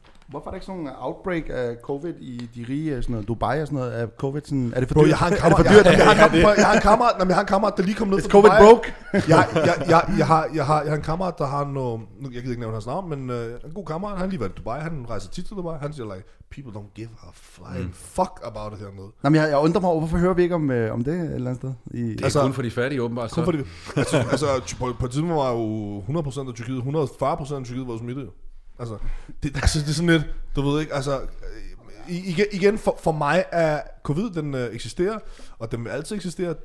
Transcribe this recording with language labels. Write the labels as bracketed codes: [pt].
[da] Hvorfor er der ikke sådan en outbreak af COVID i de rige, sådan noget, Dubai og sådan noget, af COVID sådan... Er det for dyrt? Jeg har en kammerat, der lige kom ned fra COVID Dubai. [en] COVID broke? [da] Jeg har en kammerat, der har noget... Jeg kan ikke nævne hans navn, men en god kammerat, han lige været i Dubai, han rejser tit til Dubai, han siger like... [en] People don't give a flying fuck about it [da] hernede. Nå, men jeg undrer mig, hvorfor hører vi ikke om det et eller andet sted? Det er altså, kun for de fattige, åbenbart. Kun for de... altså, på et tidspunkt var jo 100% af Tyrkiet, 140% af Tyrkiet var smittet. Altså, det er sådan lidt, du ved ikke, altså... Igen, for mig er covid, den eksisterer, og den vil altid eksistere.